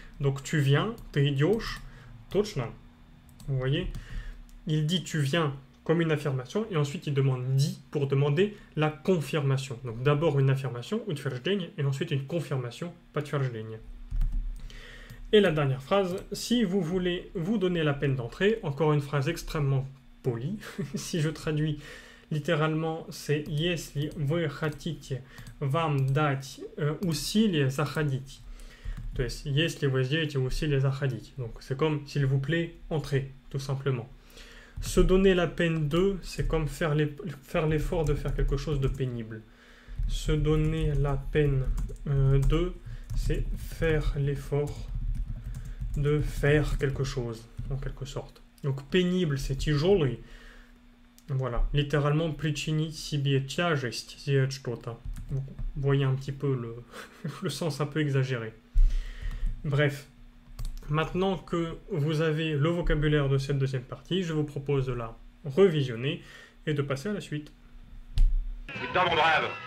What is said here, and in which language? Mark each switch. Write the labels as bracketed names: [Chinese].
[French] Donc, tu viens, t'es idiot, [Russian] точно. [French] Vous voyez, il dit tu viens comme une affirmation, et ensuite il demande dit pour demander la confirmation. Donc, d'abord une affirmation, утверждение, et ensuite une confirmation, подтверждение. Et la dernière phrase, si vous voulez vous donner la peine d'entrer, encore une phrase extrêmement polie, si je traduis. [Russian] Littéralement, c'est « «если вы хотите вам дать усилия заходить». ». То есть « «если вы сделаете усилия заходить». ». [French] Donc, c'est comme « «s'il vous plaît, entrez», », tout simplement. Se donner la peine de, c'est comme faire l'effort de faire quelque chose de pénible. Se donner la peine de, c'est faire l'effort de faire quelque chose, en quelque sorte. Donc, pénible, c'est « «тяжелый». ». Voilà, littéralement, [Russian] причини себе тяжесть, сделать что-то. [French] Vous voyez un petit peu le sens un peu exagéré. Bref, maintenant que vous avez le vocabulaire de cette deuxième partie, je vous propose de la revisionner et de passer à la suite. Dans mon brave.